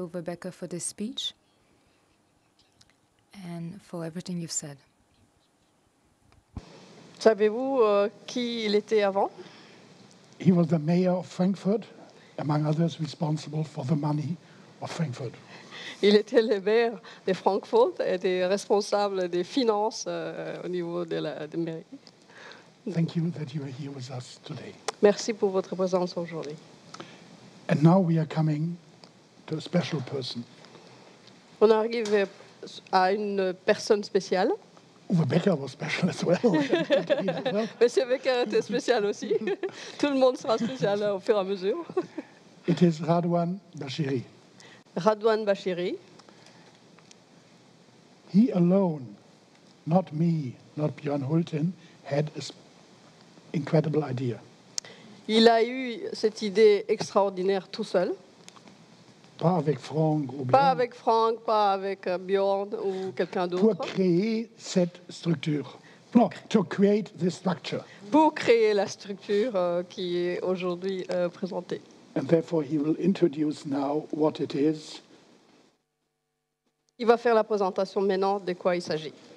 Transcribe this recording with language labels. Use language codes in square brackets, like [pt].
[en] Uwe Becker, for this speech and for everything you've said. [fr] Savez-vous qui il était avant? [en] He was the mayor of Frankfurt, among others responsible for the money of Frankfurt. [fr] Il était le maire de Francfort et des responsables des finances au niveau de la de mairie. [en] Thank you that you are here with us today. [fr] Merci pour votre présence aujourd'hui. [en] And now we are coming to a special person. [fr] On arrive à une personne spéciale. [en] Uwe Becker was special as well. [fr] Monsieur Becker était spécial aussi. Tout le monde sera spécial au fur et à mesure. [en] It is Radwan Bashiri. Radwan Bashiri. He alone, not me, not Björn Hultin, had an incredible idea. [fr] Il a eu cette idée extraordinaire tout seul. Pas avec Franck ou Björn. Pas avec Franck, pas avec Björn ou quelqu'un d'autre. Pour créer cette structure. Non, [en] to create this structure. [fr] Pour créer la structure qui est aujourd'hui présentée. [en] And therefore, he will introduce now what it is. [fr] Il va faire la présentation maintenant de quoi il s'agit.